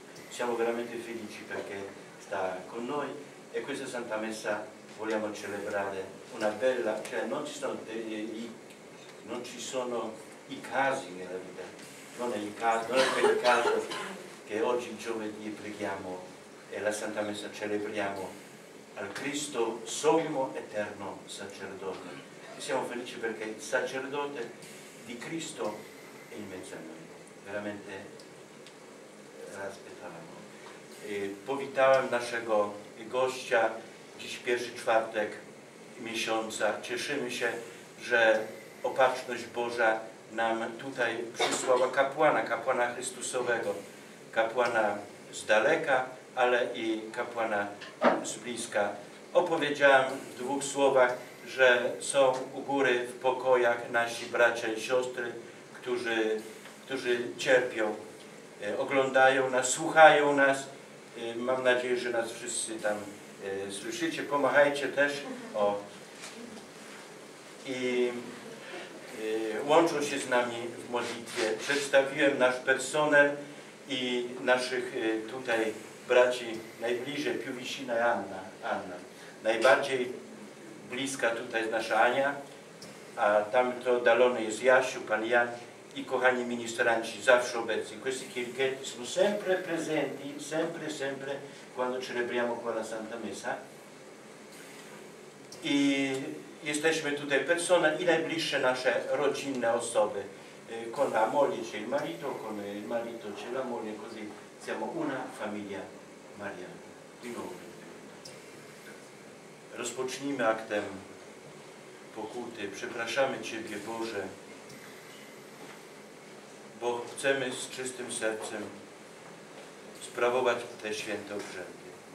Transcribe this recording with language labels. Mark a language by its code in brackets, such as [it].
[it] Siamo veramente felici perché sta con noi e questa Santa Messa vogliamo celebrare una bella, cioè non ci sono i casi nella vita, non è il caso che oggi giovedì preghiamo e la Santa Messa celebriamo al Cristo sommo eterno sacerdote. E siamo felici perché il sacerdote di Cristo è in mezzo a noi, veramente l'aspettavamo. [pl] Powitałem naszego gościa dziś pierwszy czwartek miesiąca. Cieszymy się, że opatrzność Boża nam tutaj przysłała kapłana Chrystusowego, kapłana z daleka, ale i kapłana z bliska. Opowiedziałem w dwóch słowach, że są u góry w pokojach nasi bracia i siostry, którzy cierpią, oglądają nas, słuchają nas. Mam nadzieję, że nas wszyscy tam słyszycie, pomachajcie też. O. I łączą się z nami w modlitwie. Przedstawiłem nasz personel i naszych tutaj braci najbliżej, Piuvicina i Anna. Najbardziej bliska tutaj jest nasza Ania, a tamto dalony jest Jasiu, pan Jan. I kochani ministranci, zawsze obecni. [it] Questi chierichetti sono sempre presenti, sempre, quando celebriamo qua la Santa Messa. [pl] I jesteśmy tutaj persona i najbliższe nasze rodzinne osoby. [it] Con la moglie c'è il marito, con il marito c'è la moglie, così siamo una famiglia mariana. Di nuovo. [pl] Rozpocznijmy aktem pokuty. Przepraszamy Ciebie, Boże, bo chcemy z czystym sercem sprawować te święte obrzędy.